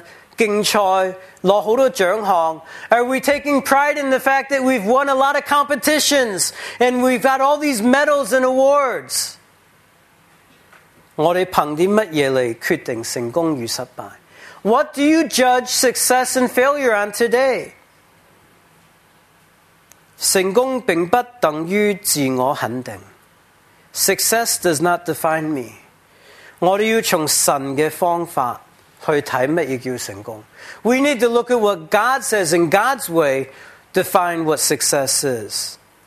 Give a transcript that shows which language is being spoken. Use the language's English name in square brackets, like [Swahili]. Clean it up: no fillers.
[Chinese] 是不是因为赢多竞赛，拿好多奖项？ [English] Are we taking pride in the fact that we've won a lot of competitions and we've got all these medals and awards? [Chinese] 我们凭什么来决定成功与失败? [English] What do you judge success and failure on today? [Chinese] 成功并不等于自我肯定. [English] Success does not define me. [Chinese] 我们要从神的方法去看什么叫成功. [English] We need to look at what God says in God's way define what success is.